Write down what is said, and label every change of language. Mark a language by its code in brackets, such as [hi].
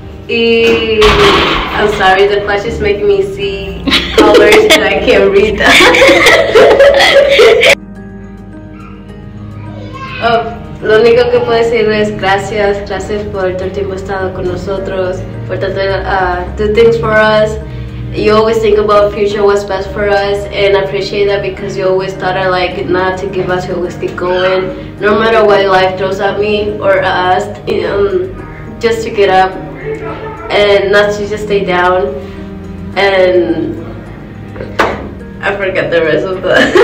[en] I'm sorry, the flash is making me see colors and I can't read them. [es] Oh, lo único que puedo decir es gracias por todo el tiempo estado con nosotros, por tratar [en] do things for us. You always think about future, what's best for us, and I appreciate that because you always thought I like not to give us, you always keep going. No matter what life throws at me or us, just to get up and not to just stay down. And I forgot the rest of the.